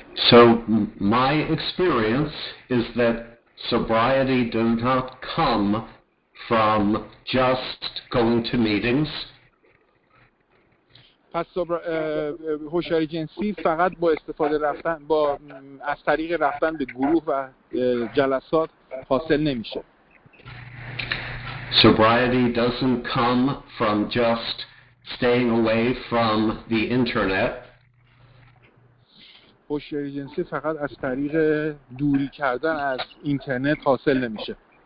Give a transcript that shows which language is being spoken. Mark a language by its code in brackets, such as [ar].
[en] So my experience is that sobriety does not come from just going to meetings. [fa] پس هوشیاری جنسی فقط با استفاده رفتن با از طریق رفتن به گروه و جلسات حاصل نمیشه. [en] Sobriety doesn't come from just staying away from the internet. [fa] هوشیاری جنسی فقط از طریق دوری کردن از اینترنت حاصل نمیشه.